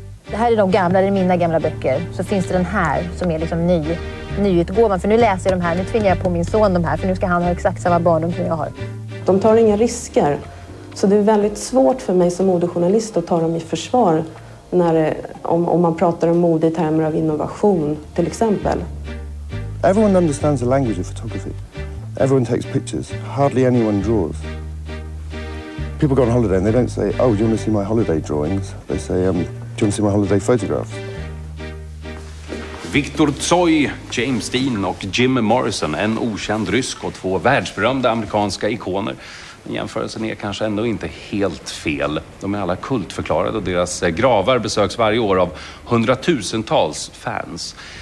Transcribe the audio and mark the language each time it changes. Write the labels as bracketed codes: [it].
[sv] Det här är de gamla, det är mina gamla böcker. Så finns det den här som är liksom nyutgåvan. För nu läser jag de här, nu tvingar jag på min son de här. För nu ska han ha exakt samma barndom som jag har. De tar inga risker. Så det är väldigt svårt för mig som modejournalist att ta dem i försvar. Om man pratar om mode i termer av innovation till exempel. [en] Everyone understands the language of photography. Everyone takes pictures. Hardly anyone draws. People go on holiday and they don't say, oh, do you want to see my holiday drawings? They say, do you want to see my holiday photographs? [sv] Viktor Tsoj, James Dean och Jim Morrison, en okänd rysk och två världsberömda amerikanska ikoner. Men jämförelsen är kanske ändå inte helt fel. De är alla kultförklarade och deras gravar besöks varje år av hundratusentals fans.